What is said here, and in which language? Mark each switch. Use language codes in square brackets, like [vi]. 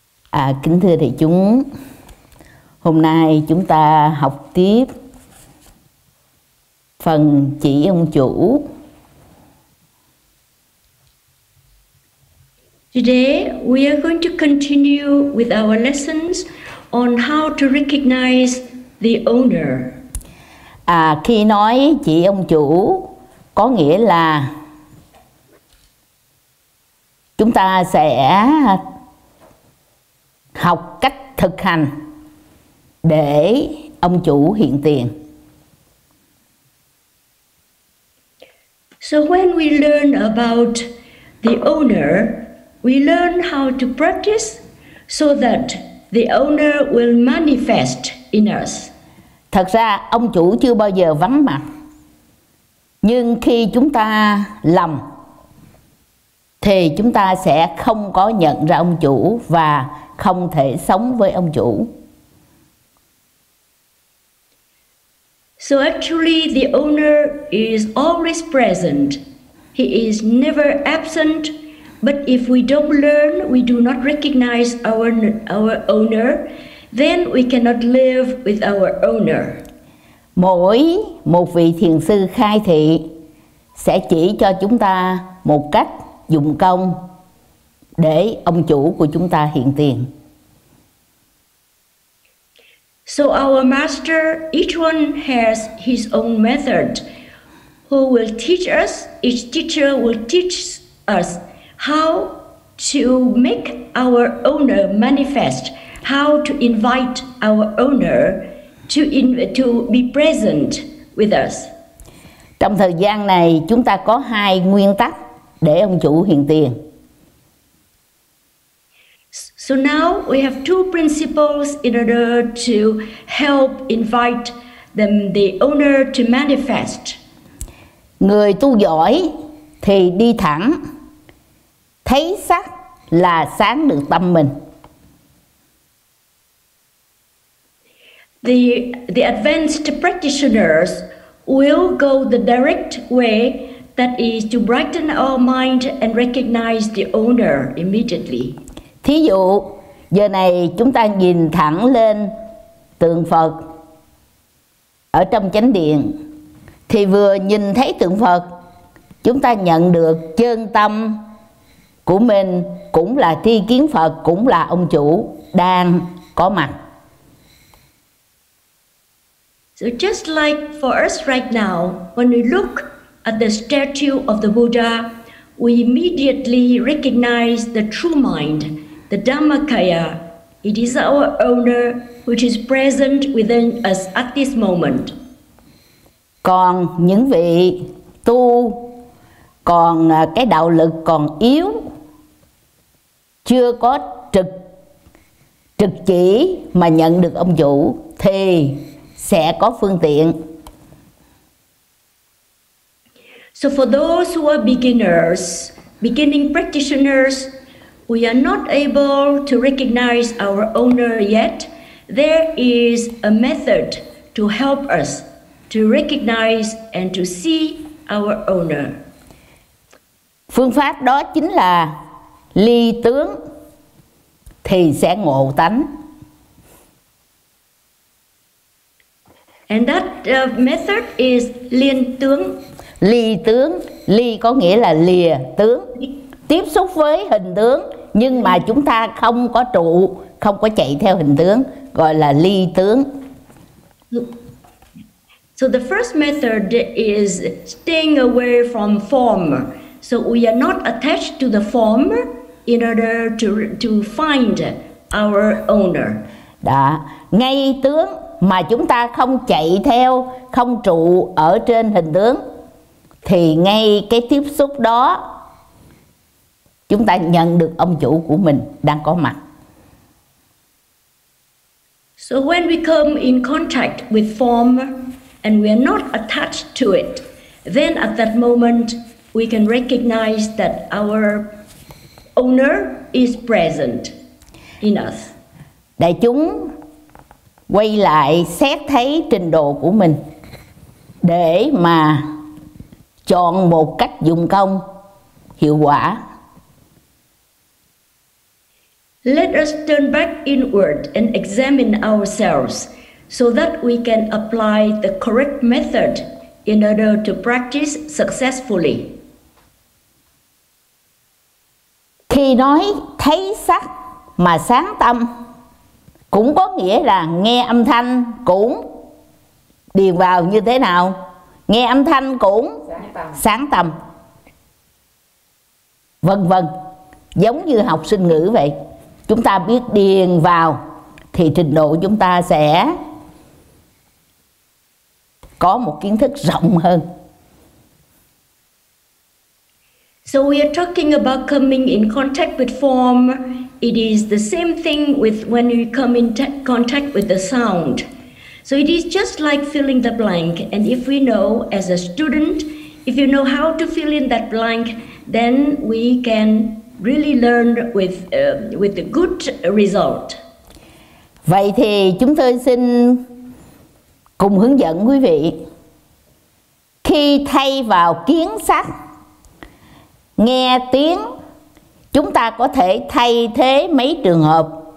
[vi] À, kính thưa đại chúng, hôm nay chúng ta học tiếp phần chỉ ông chủ. [en] Today we are going to continue with our lessons on how to recognize the owner. [vi] À, khi nói chỉ ông chủ có nghĩa là chúng ta sẽ học cách thực hành để ông chủ hiện tiền. [en] So when we learn about the owner, we learn how to practice so that the owner will manifest in us. [vi] Thật ra ông chủ chưa bao giờ vắng mặt. Nhưng khi chúng ta lầm thì chúng ta sẽ không có nhận ra ông chủ và không thể sống với ông chủ. [en] So actually the owner is always present. He is never absent. But if we don't learn, we do not recognize our owner, then we cannot live with our owner. [vi] Mỗi một vị thiền sư khai thị sẽ chỉ cho chúng ta một cách dụng công để ông chủ của chúng ta hiện tiền. [en] So our master, each one has his own method. Who will teach us? Each teacher will teach us how to make our owner manifest, how to invite our owner to be present with us. [vi] Trong thời gian này, chúng ta có hai nguyên tắc để ông chủ hiện tiền. [en] So now we have two principles in order to help invite them, the owner to manifest. [vi] Người tu giỏi thì đi thẳng, thấy sắc là sáng được tâm mình. [en] The advanced practitioners will go the direct way, that is to brighten our mind and recognize the owner immediately. [vi] Thí dụ, giờ này chúng ta nhìn thẳng lên tượng Phật ở trong chánh điện, thì vừa nhìn thấy tượng Phật, chúng ta nhận được chân tâm của mình cũng là tri kiến Phật, cũng là ông chủ đang có mặt. [en] So just like for us right now, when we look at the statue of the Buddha, we immediately recognize the true mind, the Dhammakaya. It is our owner which is present within us at this moment. [vi] Còn những vị tu còn cái đạo lực còn yếu, chưa có trực chỉ mà nhận được ông chủ thì sẽ có phương tiện. [en] So for those who are beginners, beginning practitioners, we are not able to recognize our owner yet. There is a method to help us to recognize and to see our owner. [vi] Phương pháp đó chính là ly tướng thì sẽ ngộ tánh. [en] And that method is liên tướng. [vi] Ly tướng, ly có nghĩa là lìa tướng, tiếp xúc với hình tướng nhưng mà chúng ta không có trụ, không có chạy theo hình tướng, gọi là ly tướng. [en] So the first method is staying away from form. So we are not attached to the form in order to find our owner. [vi] Đó, ngay tướng mà chúng ta không chạy theo, không trụ ở trên hình tướng thì ngay cái tiếp xúc đó chúng ta nhận được ông chủ của mình đang có mặt. [en] So when we come in contact with form and we are not attached to it, then at that moment we can recognize that our owner is present in us. [vi] Đại chúng quay lại xét thấy trình độ của mình để mà chọn một cách dùng công hiệu quả. [en] Let us turn back inward and examine ourselves so that we can apply the correct method in order to practice successfully. [vi] Khi nói thấy sắc mà sáng tâm cũng có nghĩa là nghe âm thanh cũng điền vào như thế nào? Nghe âm thanh cũng sáng tâm. Vân vân. Giống như học sinh ngữ vậy. Chúng ta biết điền vào thì trình độ chúng ta sẽ có một kiến thức rộng hơn. [en] So we are talking about coming in contact with form. It is the same thing with when you come in contact with the sound. So it is just like filling the blank. And if we know as a student, if you know how to fill in that blank, then we can really learn with a good result. [vi] Vậy thì chúng tôi xin cùng hướng dẫn quý vị. Khi thay vào kiến sắc, nghe tiếng, chúng ta có thể thay thế mấy trường hợp?